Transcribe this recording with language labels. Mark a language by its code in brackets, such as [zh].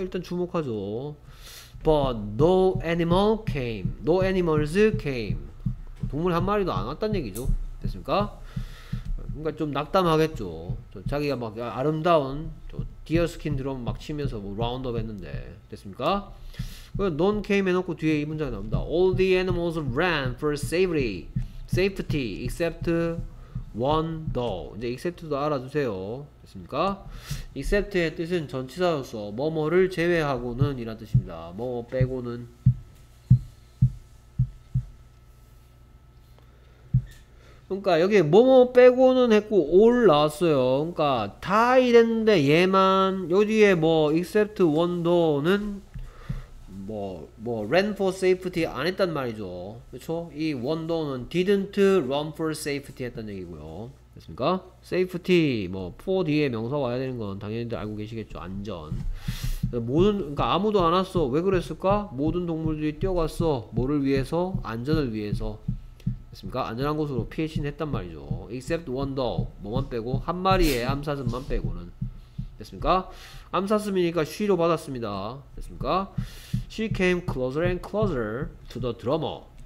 [ko] 일단 주목하죠. [en] But no animal came. No animals came. [ko] 동물 한 마리도 안 왔단 얘기죠. 됐습니까? 그러니까 좀 낙담하겠죠. 자기가 막 아름다운 디어 스킨 드럼 막 치면서 뭐 라운드업 했는데. 됐습니까? 그 [en] non came [ko] 해놓고 뒤에 이 문장이 나옵니다. [en] All the animals ran for safety except one doe. [ko] 이제 except도 알아두세요. 됐습니까? except의 뜻은 전치사로서 뭐뭐를 제외하고는 이란 뜻입니다. 뭐뭐 빼고는. 그러니까 여기 뭐뭐 빼고는 했고 all 나왔어요. 그러니까 다 이랬는데 얘만 여기에 뭐 [en] except one doe [ko] 는 뭐뭐 [en] ran for safety [ko] 안 했단 말이죠. 그렇죠? 이 one doe는 [en] didn't run for safety [ko] 했단 얘기고요. 됐습니까? safety 뭐 for 뒤에 명사 와야 되는 건 당연히 알고 계시겠죠. 안전. 모든 그러니까 아무도 안 왔어. 왜 그랬을까? 모든 동물들이 뛰어갔어. 뭐를 위해서? 안전을 위해서. 됐습니까? 안전한 곳으로 피신 했단 말이죠. [en] except one dog [ko] 뭐만 빼고 한 마리의 암사슴만 빼고는. 됐습니까? 암사슴이니까 she로 받았습니다. 됐습니까? [en] she came closer and closer to the drummer.